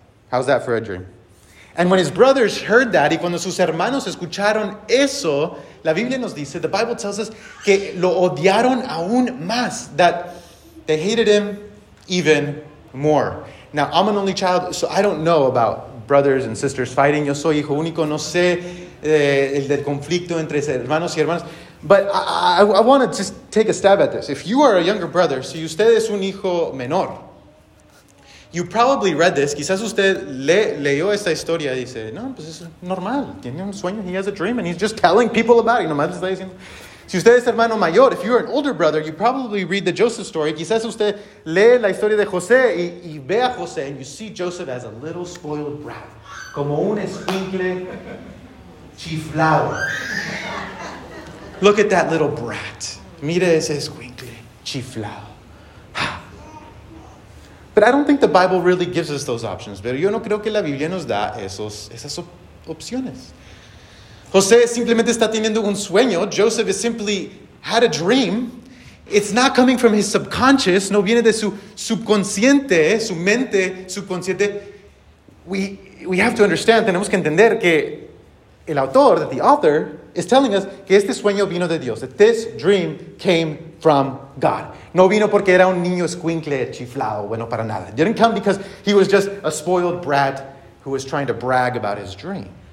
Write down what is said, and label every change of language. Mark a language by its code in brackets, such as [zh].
[en] How's that for a dream? And when his brothers heard that, [es] y cuando sus hermanos escucharon eso, la Biblia nos dice, [en] the Bible tells us, [es] que lo odiaron aún más, [en] that they hated him even more. Now, I'm an only child, so I don't know about brothers and sisters fighting. [es] Yo soy hijo único, no sé el del conflicto entre hermanos y hermanas. [en] But I want to just take a stab at this. If you are a younger brother, [es] si usted es un hijo menor, [en] you probably read this. [es] Quizás usted leyó esta historia y dice, no, pues es normal. Tiene un sueño, [en] he has a dream, and he's just telling people about it. [es] Nomás le está diciendo. Si usted es hermano mayor, [en] if you're an older brother, you probably read the Joseph story. [es] Quizás usted lee la historia de José y ve a José, [en] and you see Joseph as a little spoiled brat. [es] Como un escuincle chiflado. [en] Look at that little brat. [es] Mire ese escuincle chiflado. [en] But I don't think the Bible really gives us those options. [es] Pero yo no creo que la Biblia nos da esas opciones. José simplemente está teniendo un sueño. [en] Joseph has simply had a dream. It's not coming from his subconscious. [es] No viene de su subconsciente, su mente subconsciente. [en] We have to understand, [es] tenemos que entender que el autor, [en] that the author, is telling us [es] que este sueño vino de Dios. [en] That this dream came from God. [es] No vino porque era un niño escuincle chiflado, bueno, para nada. [en] It didn't come because he was just a spoiled brat who was trying to brag about his dream.